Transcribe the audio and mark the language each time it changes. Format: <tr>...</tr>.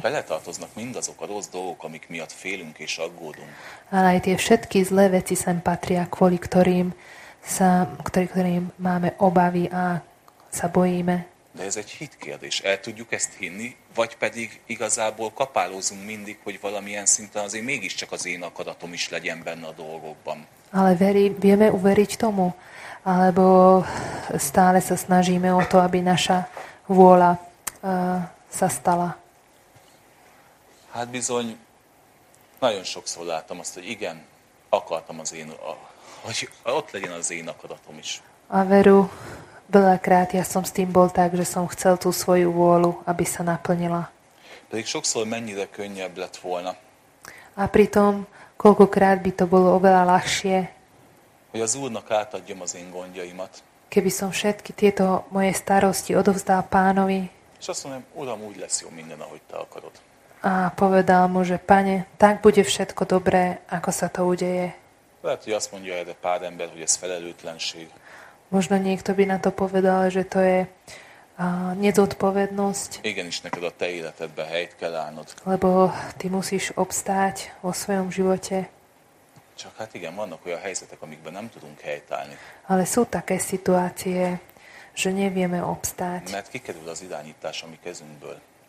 <hu>Bele tartoznak mindazok a rossz dolgok, amik miatt félünk és aggódunk.</hu> <sk>Ale aj tie všetky zlé veci sem patria, kvôli ktorým sa, ktorým máme obavy a sa bojíme.</sk> <hu>De ez egy hitkérdés. El tudjuk ezt hinni, vagy pedig igazából kapálózunk mindig, hogy valamilyen szinten azért mégiscsak az én akaratom is legyen benne a dolgokban.</hu> <sk>Ale vieme uveriť tomu, alebo stále sa snažíme o to, aby naša vôľa sa stala.</sk> <hu>Hát bizony, nagyon sokszor látom azt, hogy igen, akartam az én, hogy ott legyen az én akaratom is.</hu> <sk>A veru, veľakrát ja som s tým bol tak, že som chcel tú svoju vôľu, aby sa naplnila.</sk> <hu>Pedig sokszor mennyire könnyebb lett volna.</hu> <sk>A pritom, koľkokrát by to bolo oveľa ľahšie,</sk> <hu>hogy az Úrnak átadjam az én gondjaimat.</hu> <sk>Keby som všetky tieto moje starosti odovzdal Pánovi.</sk> <hu>És azt mondom, Uram, úgy lesz jó minden, ahogy te akarod.</hu> <sk>A povedal mu, že Pane, tak bude všetko dobré, ako sa to udeje.</sk> <hu>Lehet, hogy azt mondja erre pár ember, hogy ez felelőtlenség.</hu> <sk>Možno niekto by na to povedal, že to je nezodpovednosť.</sk> <hu>Igenis, neked a te életedbe helyt kell állnod.</hu> <sk>Lebo ty musíš obstáť vo svojom živote.</sk> <hu>Csak hát igen, vannak olyan helyzetek, amikben nem tudunk helyt állni.</hu> <sk>Ale sú také situácie, že nevieme obstáť.</sk> <hu>Mert kikerül az irányítás a mi kezünkből.</hu>